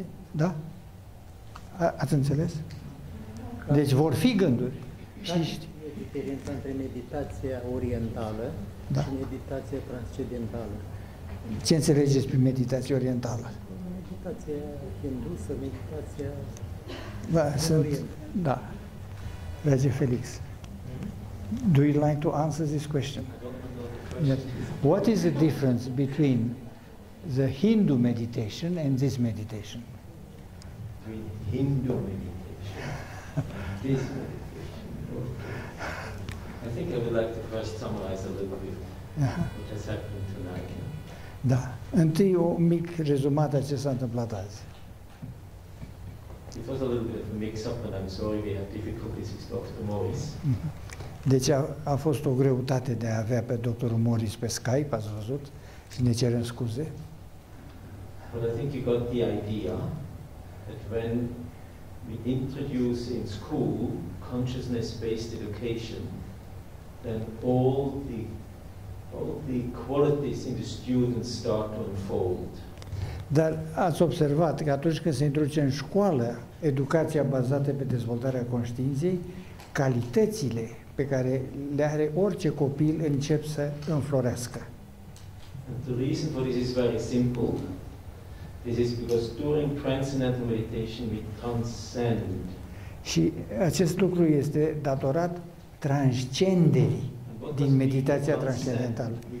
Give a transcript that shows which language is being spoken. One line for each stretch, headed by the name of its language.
Romanian: Da? Ați înțeles? Deci vor fi gânduri. Care este diferența între meditația orientală, da, și meditația transcendentală? Ce înțelegeți prin meditație orientală? Meditația hindusă, meditația... Da, sunt, da. Dragi
English: Felix, do you like to answer this question? Yes. What is the difference between the Hindu meditation and this meditation? Between Hindu meditation, this meditation. I think I would like to first summarize a little bit what has happened tonight.
Romanian: Da. Întâi o mic rezumat a ce s-a întâmplat azi.
English: It was a little bit of a mix-up, and I'm sorry we have difficulties with Dr. Morris.
Romanian: Deci a fost o greutate de a avea pe doctorul Morris pe Skype, ați văzut, și ne cerem scuze.
English: But I think you got the idea that when we introduce in school consciousness-based education, then all the qualities in the students start to unfold.
Romanian: Dar ați observat că atunci când se introduce în școală educația bazată pe dezvoltarea conștiinței, calitățile pe care le are orice copil încep să înflorească.
English: And the reason for this is very simple. This is because during transcendental meditation we transcend.
Romanian: Și acest lucru este datorat transcenderii.
English: And
Romanian: din meditația transcendentală.